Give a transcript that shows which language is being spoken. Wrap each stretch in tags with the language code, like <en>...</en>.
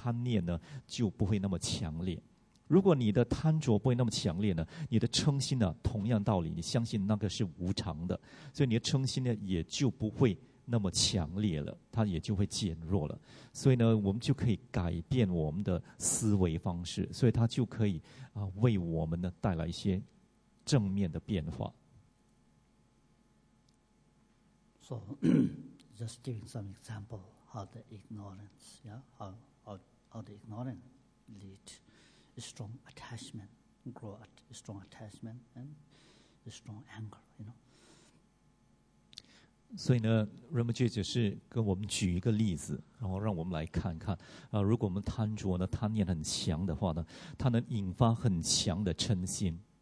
<zh>所以呢，我们执着那东西的常住不变的，所以呢，我们就会有那个贪念。当我们贪念很强的时候呢，我们的嗔心呢也会跟着强盛，越来越强。就比如说那敌人的例子，所以呢，我们应该呢换个角度，换位思考哦，现在很流行啊逆向思维，换位思考。你去想呢，换个角度来看，如果我们觉得哎那样东西呢其实它是无常，你告诉自己它是无常，你相信它是无常，它是在变化的。所以呢，你的那贪着啊，就算你看到那个人或者是看到那样东西，你就觉得它是会变的，所以它的美好不会永远是那么美好，它的不好也永远不会那么不好不美好。所以你的那贪着贪念呢就不会那么强烈。如果你的贪着不会那么强烈呢，你的嗔心呢同样道理，你相信那个是无常的，所以你的嗔心呢也就不会那么强烈了，它也就会减弱了。所以呢，我们就可以改变我们的思维方式，所以它就可以啊，为我们呢带来一些正面的变化。</zh> <en>So, just giving some example how the ignorance, yeah, how the ignorance lead a strong attachment, grow a strong attachment and a strong anger, you know.</en> <zh>所以呢，仁波切只是跟我们举一个例子，然后让我们来看看，如果我们贪着呢，贪念很强的话呢，它能引发很强的嗔心。</zh>